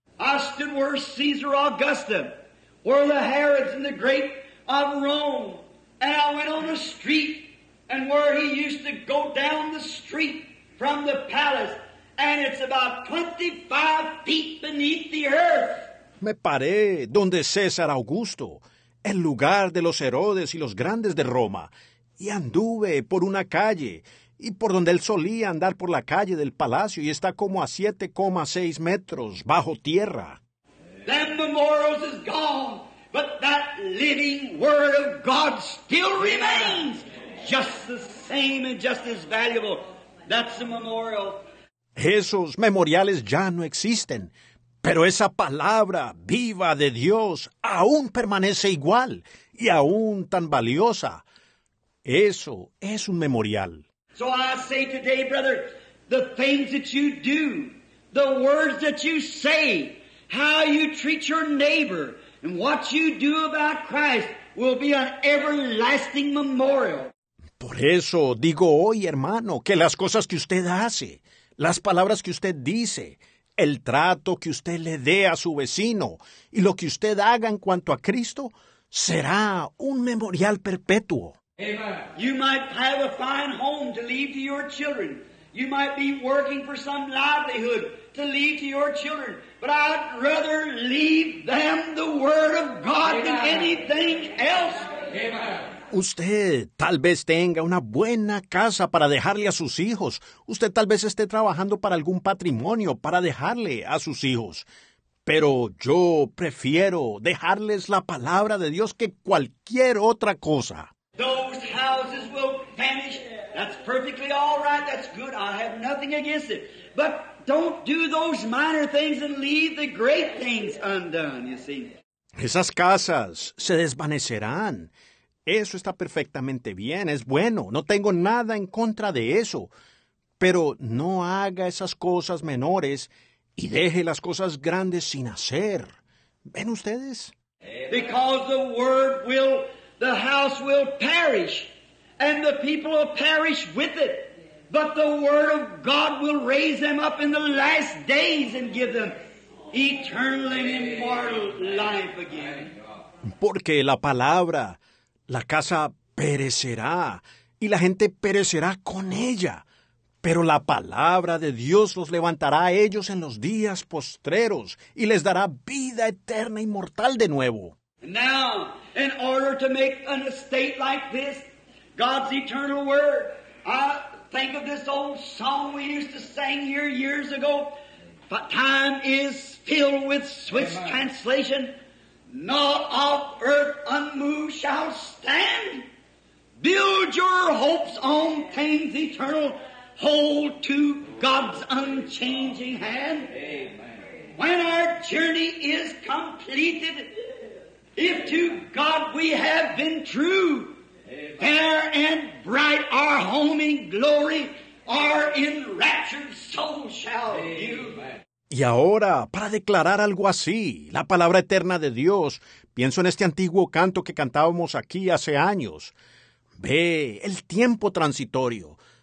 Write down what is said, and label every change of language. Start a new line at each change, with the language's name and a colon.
English: I stood where Caesar Augusta, where the Herods and the great of Rome, and I went on the street, and where he used to go down the street from the palace, and it's about 25 feet beneath the earth.
Spanish: Me paré donde César Augusto, el lugar de los Herodes y los grandes de Roma, y anduve por una calle y por donde él solía andar por la calle del palacio y está como a 7.6 metros bajo tierra.
English: That memorial is gone, but that living word of God still remains, just the same and just as valuable. That's the memorial.
Spanish: Esos memoriales ya no existen. Pero esa palabra viva de Dios aún permanece igual y aún tan valiosa. Eso es un memorial.
English: So I say today, brother, the things that you do, the words that you say, how you treat your neighbor, and what you do about Christ will be an everlasting memorial.
Spanish: Por eso digo hoy, hermano, que las cosas que usted hace, las palabras que usted dice, el trato que usted le dé a su vecino y lo que usted haga en cuanto a Cristo será un memorial perpetuo.
English: You might have a fine home to leave to your children. You might be working for some livelihood to leave to your children, but I'd rather leave them the Word of God than anything else.
Spanish: Usted tal vez tenga una buena casa para dejarle a sus hijos. Usted tal vez esté trabajando para algún patrimonio para dejarle a sus hijos. Pero yo prefiero dejarles la palabra de Dios que cualquier otra cosa.
English: Those houses will vanish. That's perfectly all right. That's good. I have nothing against it. But don't do those minor things and leave the great things undone, you see.
Spanish: Esas casas se desvanecerán. Eso está perfectamente bien, es bueno, no tengo nada en contra de eso. Pero no haga esas cosas menores y deje las cosas grandes sin hacer. ¿Ven ustedes?
English: Because the word will, the house will perish, and the people will perish with it. But the word of God will raise them up in the last days and give them eternal and immortal life again.
Spanish: Porque la palabra... La casa perecerá, y la gente perecerá con ella. Pero la palabra de Dios los levantará a ellos en los días postreros, y les dará vida eterna y mortal de nuevo.
English: Now, in order to make an estate like this, God's eternal word, I think of this old song we used to sing here years ago, but time is filled with Swiss translation. Not of earth unmoved shall stand. Build your hopes on things eternal. Hold to God's unchanging hand. Amen. When our journey is completed, if to God we have been true, Amen. Fair and bright our home in glory, our enraptured soul shall Amen. View.
Spanish: Y ahora, para declarar algo así, la palabra eterna de Dios, pienso en este antiguo canto que cantábamos aquí hace años. Ve, el tiempo transitorio.